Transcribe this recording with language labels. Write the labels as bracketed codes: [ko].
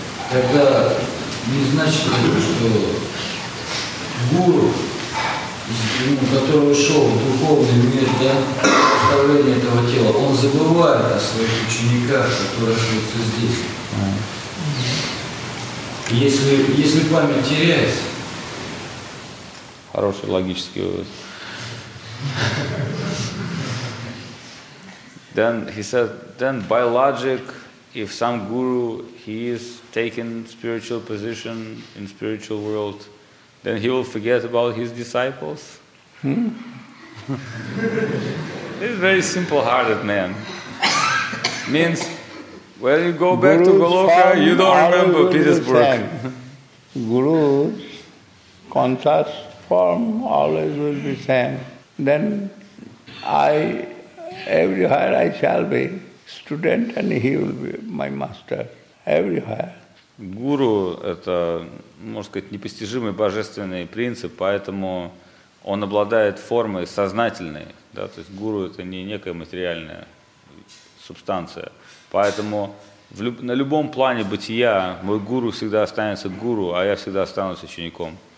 [ru] Тогда не значит ли, что гуру, который ушел в духовный мир, да, оставление этого тела, он забывает о своих учениках, которые остаются здесь. Если память теряется. Хороший логический вывод. [en] Then he said, then by logic, if some guru he is taking spiritual position in spiritual world, then he will forget about his disciples. He's a very simple-hearted man. Means when you go back Guru's to Goloka, you don't remember Petersburg. Guru's conscious form always will be same. Then everywhere I shall be student, and he will be my master everywhere. [ru] Гуру – это, можно сказать, непостижимый божественный принцип, поэтому он обладает формой сознательной. Да? То есть гуру – это не некая материальная субстанция. Поэтому на любом плане бытия мой гуру всегда останется гуру, а я всегда останусь учеником.